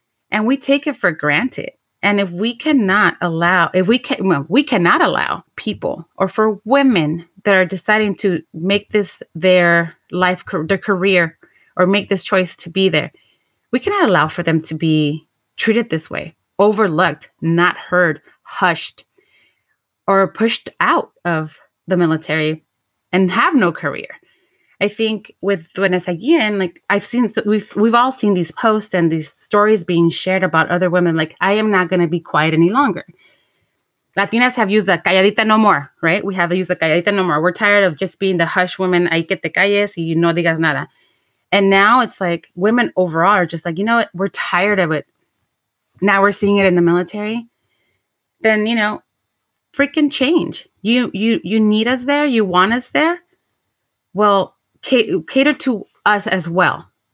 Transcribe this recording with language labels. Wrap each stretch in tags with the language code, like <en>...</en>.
<en>And we take it for granted. And if we cannot allow, we cannot allow people or for women that are deciding to make this their life, their career, or make this choice to be there, we cannot allow for them to be treated this way, overlooked, not heard, hushed, or pushed out of the military and have no career. I think with Vanessa Guillen, like we've all seen these posts and these stories being shared about other women. Like, I am not going to be quiet any longer. Latinas have used the calladita no more, right? We have used the calladita no more. We're tired of just being the hush women.</en> <es>Hay que te calles y no digas nada.</es> <en>And now it's like women overall are just like, you know what? We're tired of it. Now we're seeing it in the military. Then, you know, freaking change. You need us there. You want us there. Well, cater to us as well.</en>